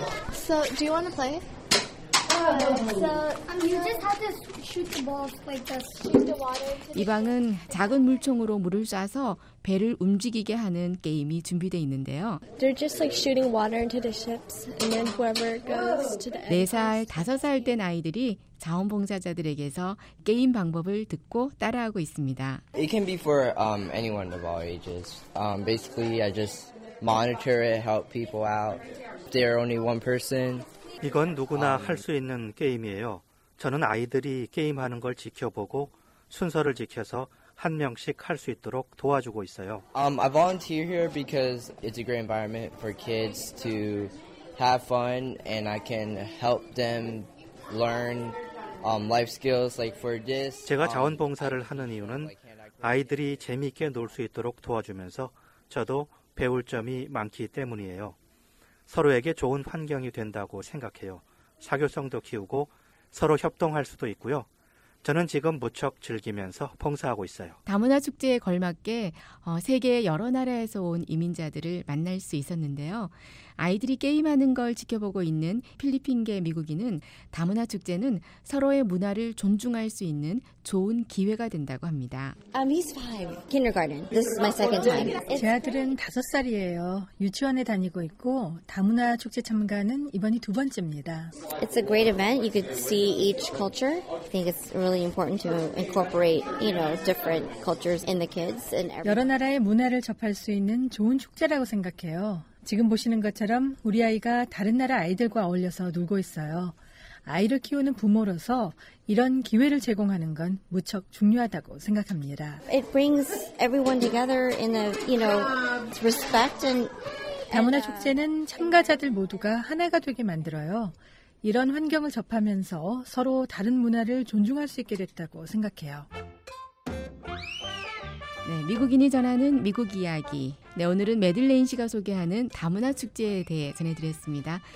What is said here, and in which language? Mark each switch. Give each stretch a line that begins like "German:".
English: So, do you want to play? Shoot the water.
Korean: 이 방은 작은 물총으로 물을 쏴서 배를 움직이게 하는 게임이 준비되어 있는데요.
English: They're just like shooting water into the ships and then whoever goes to the end.
Korean: 4살, 5살 된 아이들이 자원봉사자들에게서 게임 방법을 듣고 따라하고 있습니다.
English: It can be for anyone of all ages. Basically, I just monitor it, help people out. They're only one person.
Korean: 이건 누구나 할 수 있는 게임이에요. 저는 아이들이 게임하는 걸 지켜보고 순서를 지켜서 한 명씩 할 수 있도록 도와주고 있어요.
English: I volunteer here because it's a great environment for kids to have fun and I can help them learn life skills like for this.
Korean: 제가 자원봉사를 하는 이유는 아이들이 재미있게 놀 수 있도록 도와주면서 저도 배울 점이 많기 때문이에요. 서로에게 좋은 환경이 된다고 생각해요. 사교성도 키우고 서로 협동할 수도 있고요. 저는 지금 무척 즐기면서 봉사하고 있어요. 다문화 축제에 걸맞게 세계 여러 나라에서 온 이민자들을 만날 수 있었는데요. 아이들이 게임하는 걸 지켜보고 있는 필리핀계 미국인은 다문화 축제는 서로의 문화를 존중할 수 있는 좋은 기회가 된다고 합니다.
English: He's five. Kindergarten. This is my second time.
Korean: 제 아들은 다섯 살이에요. 유치원에 다니고 있고 다문화 축제 참가는 이번이 두 번째입니다.
English: It's a great event. You could see each culture. I think it's really important to incorporate, you know, different cultures in the kids and everything.
Korean: 여러 나라의 문화를 접할 수 있는 좋은 축제라고 생각해요. 지금 보시는 것처럼 우리 아이가 다른 나라 아이들과 어울려서 놀고 있어요. 아이를 키우는 부모로서 이런 기회를 제공하는 건 무척 중요하다고 생각합니다.
English: It brings everyone together in a, you know, respect and
Korean: 다문화 축제는 참가자들 모두가 하나가 되게 만들어요. 이런 환경을 접하면서 서로 다른 문화를 존중할 수 있게 됐다고 생각해요. 네, 미국인이 전하는 미국 이야기. 네, 오늘은 매들레인 씨가 소개하는 다문화 축제에 대해 전해드렸습니다.